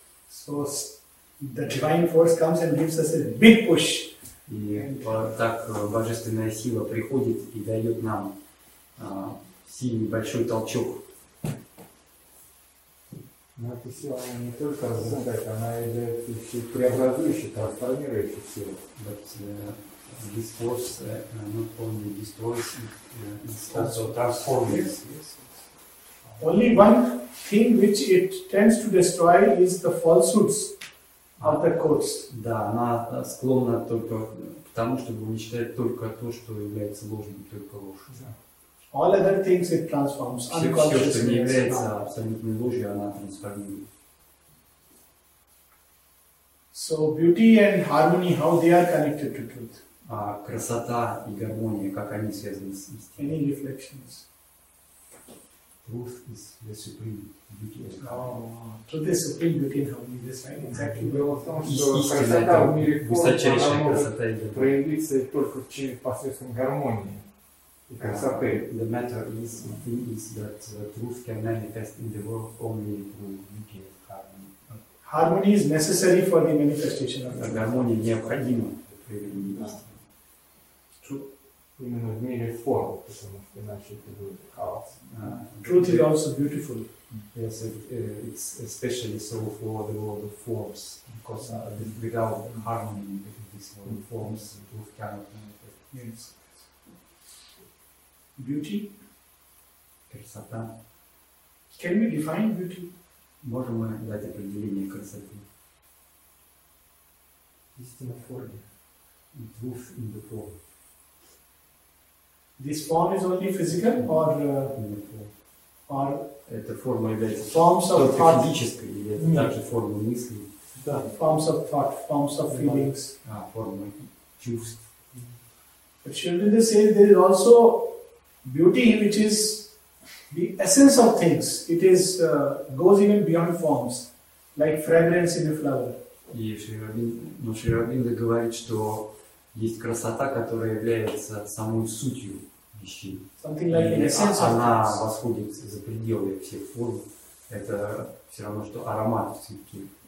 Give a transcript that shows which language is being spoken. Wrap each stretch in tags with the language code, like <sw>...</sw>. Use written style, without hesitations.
<en>So the divine force comes and gives us a big push.</en> <ru>И так божественная сила приходит и дает нам сильный большой толчок. Но эта сила не только разрушает, она является преобразующей, трансформирующей силой.</ru> <en>But this force not only destroys, it also transforms. Yes, yes, yes. Only one thing which it tends to destroy is the falsehoods of the courts.</en> <ru>Да, она склонна только к тому, чтобы уничтожать только то, что является ложным, только ложь.</ru> <en>Yeah. All other things it transforms.</en> <ru>Все, что не является абсолютной ложью, она трансформирует.</ru> <en>So beauty and harmony, how they are connected to truth?</en> <ru>Красота и гармония, как они связаны с истиной?</ru> <en>Any reflections? Truth is the supreme beauty. Oh, truth is supreme beauty and harmony. That's right, exactly.</en> <ru>Истина – это высочайшая красота и гармония. Проявиться только через посредством гармонии.</ru> <en>The matter is, the thing is that truth can manifest in the world only through beauty and harmony. Harmony is necessary for the manifestation of truth.</en> <ru>Гармония необходима для проявления истины.</ru> <en>True.</en> <ru>Именно в мире форм, потому что иначе это будет хаос.</ru> <en>Truth is also beautiful. Yes, it's especially so for the world of forms, because without harmony in this world of forms, truth cannot manifest. Yes. Beauty?</en> <ru>Красота.</ru> <en>Can we define beauty?</en> <ru>Можем мы дать определение красоты? Истина в форме.</ru> <en>Truth in the form. This form is only physical or... In the form. Or...</en> <ru>Это форма является...</ru> <en>Forms of thought.</en> <ru>Только физическая или это также форма мысли?</ru> <en>Да. Forms of thought, forms of feelings.</en> <ru>Форма чувств.</ru> <en>But shouldn't they say there is also... Beauty, which is the essence of things, it is goes even beyond forms, like fragrance in a flower.</en> <ru>И Шри Рабинда говорит, что есть красота, которая является самой сутью вещей.</ru> <en>Something like an essence.</en> <ru>Она восходит за пределы всех форм. Это все равно, что аромат цветки.</ru>